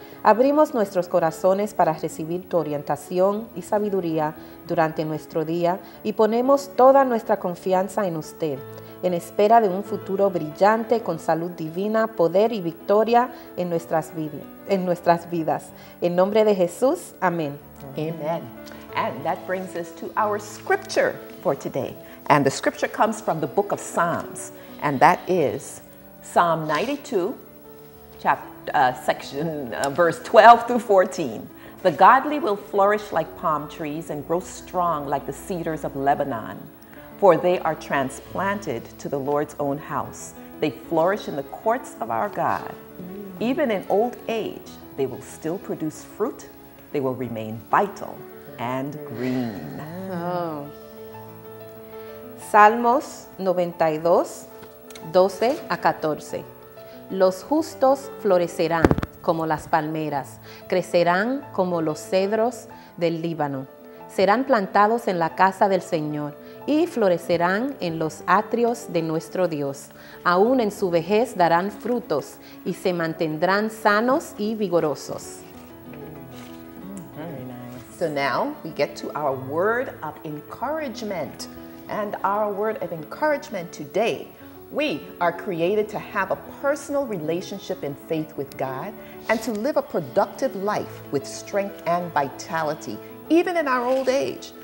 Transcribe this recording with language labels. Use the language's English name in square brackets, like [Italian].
[Spanish] Abrimos nuestros corazones para recibir tu orientación y sabiduría durante nuestro día y ponemos toda nuestra confianza en usted, en espera de un futuro brillante con salud divina, poder y victoria en nuestras vidas. En nombre de Jesús, amén. [English] Amen. And that brings us to our scripture for today. And the scripture comes from the book of Psalms. And that is Psalm 92, verse 12 through 14. The godly will flourish like palm trees and grow strong like the cedars of Lebanon, for they are transplanted to the Lord's own house. They flourish in the courts of our God. Even in old age, they will still produce fruit, they will remain vital and green. [Spanish] Salmos 92, 12 a 14. Los justos florecerán como las palmeras, crecerán como los cedros del Líbano. Serán plantados en la casa del Señor y florecerán en los atrios de nuestro Dios. Aún en su vejez darán frutos y se mantendrán sanos y vigorosos. [English] Very nice. So now we get to our word of encouragement. And our word of encouragement today, we are created to have a personal relationship in faith with God and to live a productive life with strength and vitality, even in our old age.